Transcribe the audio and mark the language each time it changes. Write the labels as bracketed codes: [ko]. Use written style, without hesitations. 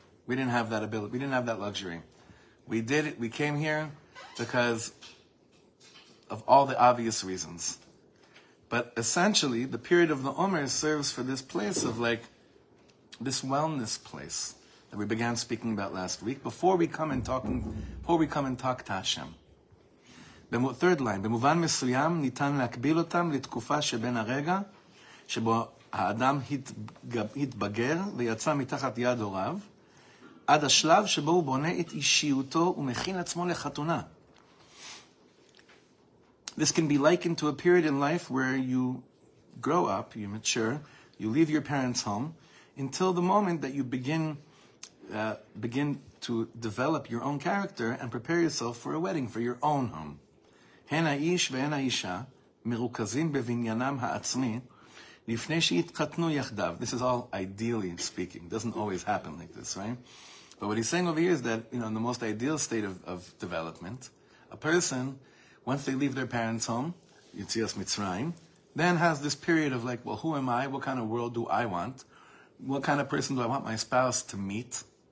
[en] We didn't have that ability. We didn't have that luxury. We did it. We came here because of all the obvious reasons. But essentially, the period of the Omer serves for this place of like, this wellness place that we began speaking about last week, before we come and talk to Hashem. Third line, [he] במובן מסוים ניתן להקביל אותם לתקופה שבין הרגע שבו האדם התבגר ויצא מתחת יד הוריו, עד השלב שבו הוא בונה את אישיותו ומכין עצמו לחתונה. [en] This can be likened to a period in life where you grow up, you mature, you leave your parents' home, until the moment that you begin to develop your own character and prepare yourself for a wedding, for your own home. [he] הן האיש והן האישה מרוכזים בבניינם העצמי לפני שיתחתנו יחדיו. [en] This is all ideally speaking. It doesn't always happen like this, right? But what he's saying over here is that, you know, in the most ideal state of development, a person, once they leave their parents' home, Yetzias Mitzrayim, then has this period of like, well, who am I? What kind of world do I want? What kind of person do I want my spouse to meet?